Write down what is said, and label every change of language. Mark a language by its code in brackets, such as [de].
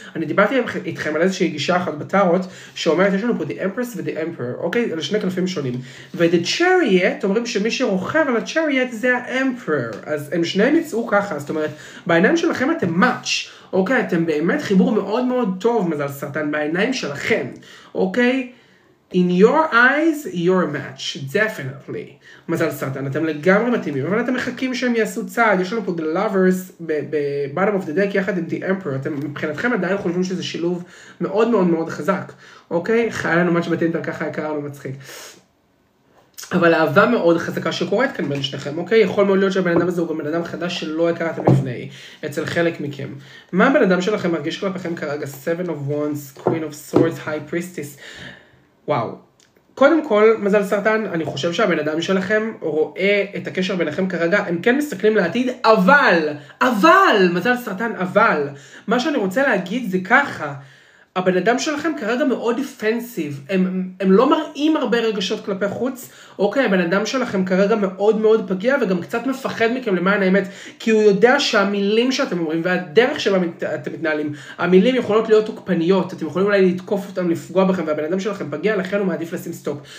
[he] אני דיברתי איתכם על איזושהי גישה אחת בטארות, שאומרת יש לנו פה the empress ו the emperor, אוקיי? אלה שני קלפים שונים. ו the chariot, אומרים שמי שרוכב על ה-chariot זה ה-emperor. אז הם שניהם יצאו ככה, זאת אומרת, בעיניים שלכם אתם מאץ'. אוקיי, אתם באמת חיבור מאוד מאוד טוב מזל סרטן בעיניים שלכם, אוקיי? [en] In your eyes, your match, definitely. [he] מזל סרטן, אתם לגמרי מתאימים, אבל אתם מחכים שהם יעשו צעד, יש לנו פה the lovers ב-bottom of the deck יחד עם the emperor, אתם מבחינתכם עדיין חושבים שזה שילוב מאוד מאוד מאוד חזק, אוקיי? חייל לנו match בטינטר, ככה יקרה לנו מצחיק. אבל אהבה מאוד חזקה שקורית כאן בין שניכם, אוקיי? יכול מאוד להיות שהבן אדם הזה הוא גם בן אדם חדש שלא הכרתם לפני, אצל חלק מכם. מה הבן אדם שלכם מרגיש כלפיכם כרגע? Seven of Wands, Queen of Swords, High Priestess. וואו. קודם כל, מזל סרטן, אני חושב שהבן אדם שלכם רואה את הקשר ביניכם כרגע, הם כן מסתכלים לעתיד, אבל, מזל סרטן, אבל, מה שאני רוצה להגיד זה ככה, הבן אדם שלכם כרגע מאוד דיפנסיב, הם לא מראים הרבה רגשות כלפי חוץ, אוקיי, הבן אדם שלכם כרגע מאוד מאוד פגיע, וגם קצת מפחד מכם למען האמת, כי הוא יודע שהמילים שאתם אומרים, והדרך שבה אתם מתנהלים, המילים יכולות להיות תוקפניות, אתם יכולים אולי לתקוף אותם, לפגוע בכם, והבן אדם שלכם פגיע, לכן הוא מעדיף לשים סטופ.